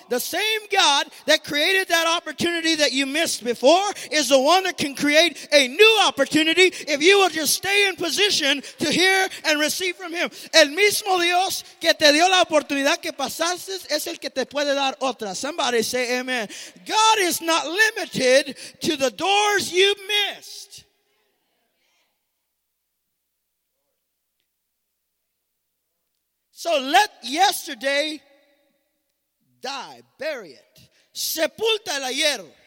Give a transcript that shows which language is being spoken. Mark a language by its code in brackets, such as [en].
[en] The same God that created that opportunity that you missed before is the one that can create a new opportunity if you will just stay in position to hear and receive from him. [es] El mismo Dios que te dio la oportunidad que pasaste es el que te puede dar otra. [en] Somebody say amen. God is not limited to the doors you missed. So let yesterday die, bury it. [es] Sepulta el ayer.